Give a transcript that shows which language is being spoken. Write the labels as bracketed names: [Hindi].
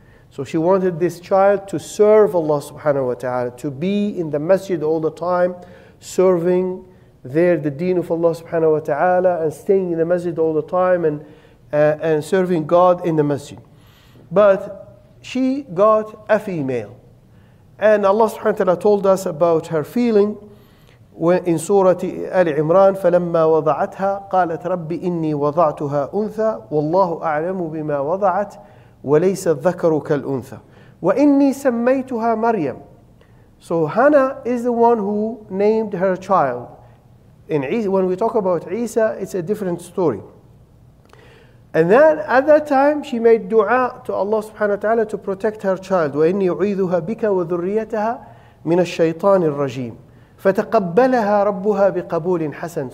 [English] So she wanted this child to serve Allah subhanahu wa ta'ala, to be in the Masjid all the time, serving there the deen of Allah subhanahu wa ta'ala, and staying in the Masjid all the time and serving God in the Masjid. But she got a female. And Allah subhanahu wa ta'ala told us about her feeling in Surah Al-Imran, [Arabic] فَلَمَّا وَضَعَتْهَا قَالَتْ رَبِّ إِنِّي وَضَعْتُهَا أُنْثَى وَاللَّهُ أَعْلَمُ بِمَا وَضَعَتْ وَلَيْسَ الذَّكَرُ كَالْأُنْثَى وَإِنِّي سَمَّيْتُهَا مَرْيَمُ. [English] So Hannah is the one who named her child. In Isa, when we talk about Isa, it's a different story. And then at that time, she made dua to Allah subhanahu wa ta'ala to protect her child. [Arabic] وَإِنِّي أُعِيذُهَا بِكَ وَذُرِّيَتَهَا مِنَ الشَّيْطَانِ الرَّجِيمِ فَتَقَبَّلَهَا رَبُّهَا بِقَبُولٍ حَسَنٍ.